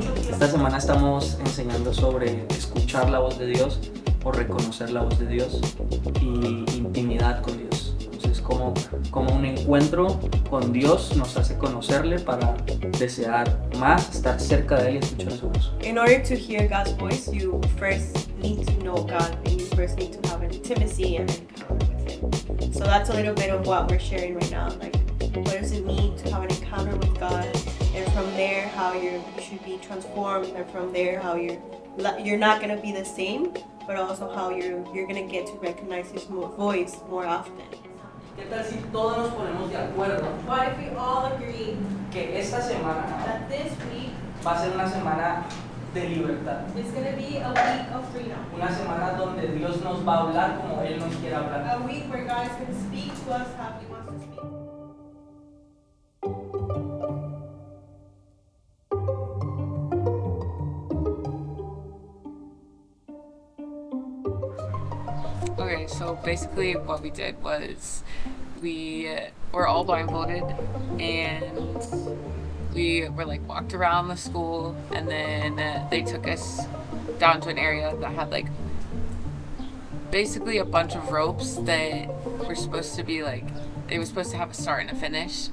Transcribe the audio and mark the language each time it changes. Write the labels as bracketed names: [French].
[Spanish] Esta semana estamos enseñando sobre escuchar la voz de Dios o reconocer la voz de Dios y intimidad con Dios. Entonces, como un encuentro con Dios nos hace conocerle para desear más estar cerca de Él y escuchar su voz. [English] In order to hear God's voice, you first need to know God and you first need to have an intimacy and an encounter with Him. So that's a little bit of what we're sharing right now. Like, what does it mean to have an encounter with God? And from there, how you should be transformed. And from there, how you're not going to be the same, but also how you're going to get to recognize His voice more often. [Spanish] ¿Qué tal si todos nos ponemos de acuerdo? [English] What if we all agree [Spanish] que esta semana [English] that this week [Spanish] va a ser una semana de libertad. [English] It's going to be a week of freedom. [Spanish] Una semana donde Dios nos va a hablar como Él nos quiere hablar. [English] A week where God is going to speak to us how He wants to speak. Okay, so basically what we did was we were all blindfolded and we were like walked around the school, and then they took us down to an area that had like basically a bunch of ropes that were supposed to be like, it was supposed to have a start and a finish.